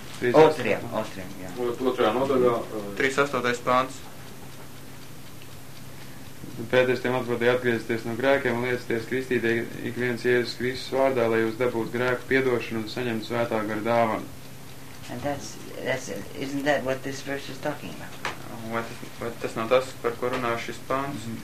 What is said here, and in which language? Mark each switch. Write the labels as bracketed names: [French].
[Latvian] Otrajā, jā. Otrajā nodaļā. 38. Pants. Pēters tiem atbildēja atgriezties no grēkiem un liecities kristītie ik viens Jēzus Kristus vārdā, lai jūs dabūtu grēku piedošanu un saņemtu svētā gara dāvanu. [English] And that's isn't that what this verse is talking about? [Latvian] Vai tas nav tas, par ko runā šis pāns?